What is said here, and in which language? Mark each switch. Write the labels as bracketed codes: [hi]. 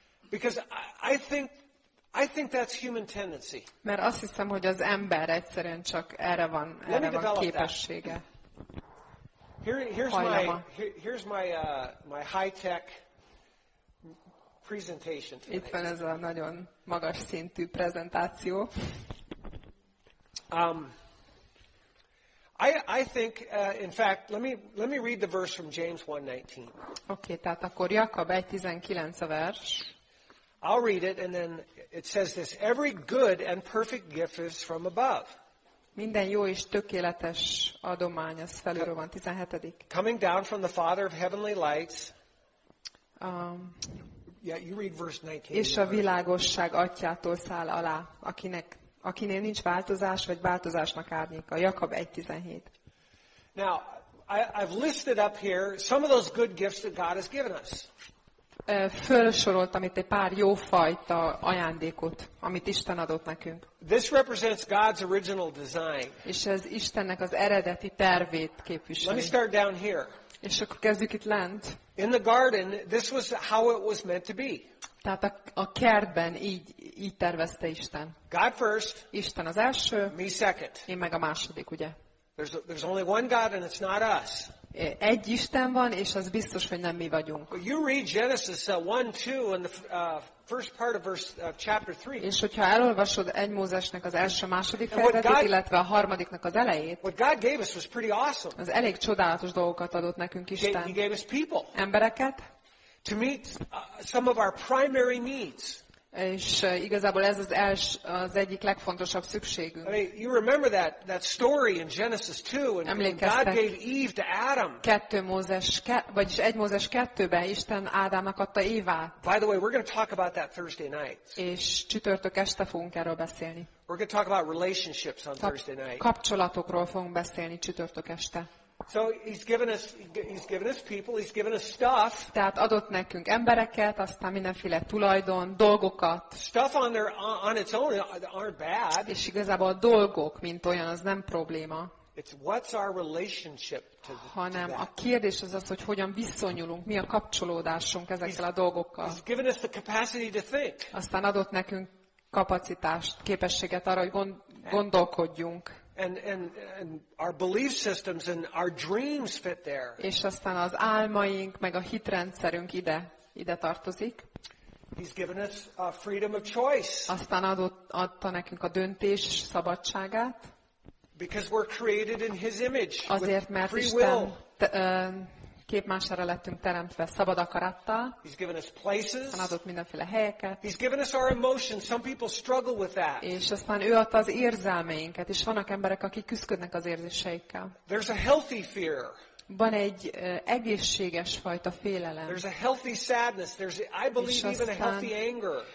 [en] Because I think that's human tendency. [hu] Mert azt hiszem, hogy az ember egyszerűen csak erre van, erre van képessége. [en] Here's my high-tech presentation today. [hu] Itt van ez a nagyon magas szintű prezentáció. [en] I think, in fact, let me read the verse from James 1:19. [hu] Okay, tehát akkor Jakab 1:19 a vers. [en] I'll read it, and then it says this: Every good and perfect gift is from above. [hu] Minden jó és tökéletes adomány az felülről van, 17. [en] Coming down from the Father of heavenly lights. You read verse 19. [hu] És a világosság atyától száll alá, akinél nincs változás, vagy változásnak árnyéka. Jakab 1:17. [en] Now, I've listed up here some of those good gifts that God has given us. [hu] Fölsorolt, amit egy pár jó fajta ajándékot, amit Isten adott nekünk. [en] This represents God's original design. [hu] És ez Istennek az eredeti tervét képviseli. [en] Let me start down here. [hu] És akkor kezdjük itt lent. [en] In the garden, this was how it was meant to be. [hu] Tehát a kertben így tervezte Isten. [en] God first. [hu] Isten az első. [en] Me second. [hu] Én meg a második, ugye? [en] There's only one God, and it's not us. [hu] Egy Isten van, és az biztos, hogy nem mi vagyunk. [en] You read Genesis 1:2 in the first part of verse chapter 3. [hu] És hogyha elolvasod egy Mózesnek az első, második fejezetét, illetve a harmadiknak az elejét. [en] What God gave us was pretty awesome. [hu] Az elég csodálatos dolgokat adott nekünk Isten. [en] He gave us people. [hu] Embereket. [en] To meet some of our primary needs. [hu] És igazából ez az egyik legfontosabb szükségünk. [en] I mean, you remember that story in Genesis 2 when God gave Eve to Adam. [hu] Vagyis egy Mózes 2-ben Isten Ádámnak adta Évát. [en] By the way, we're going to talk about that Thursday night. [hu] És csütörtök este fogunk erről beszélni. [en] We're going to talk about relationships on Thursday night. [hu] Kapcsolatokról fogunk beszélni csütörtök este. [en] So he's given us people, he's given us stuff. [hu] Tehát adott nekünk embereket, aztán mindenféle tulajdon, dolgokat. [en] Stuff on its own aren't bad. [hu] És igazából a dolgok, mint olyan, az nem probléma. [en] It's what's our relationship to that. [hu] Hanem a kérdés az, hogy hogyan viszonyulunk, mi a kapcsolódásunk ezekkel a dolgokkal. [en] He's given us the capacity to think. [hu] Aztán adott nekünk kapacitást, képességet arra, hogy gondolkodjunk. [en] And our belief systems and our dreams fit there. [hu] És aztán az álmaink meg a hitrendszerünk ide tartozik. [en] He's given us a freedom of choice. [hu] Aztán adta nekünk a döntés szabadságát. [en] Because we're created in his image. [hu] Azért, mert [en] free will. [hu] Képmására lettünk teremtve szabad akarattal. [en] He's given us places. [hu] Aztán adott mindenféle helyeket. [en] He's given us our emotions. Some people struggle with that. [hu] És aztán ő adta az érzelmeinket, és vannak emberek, akik küszködnek az érzéseikkel. [en] There's a healthy fear. [hu] Van egy egészséges fajta félelem. [en] There's a healthy sadness. There's, I believe, even a healthy anger.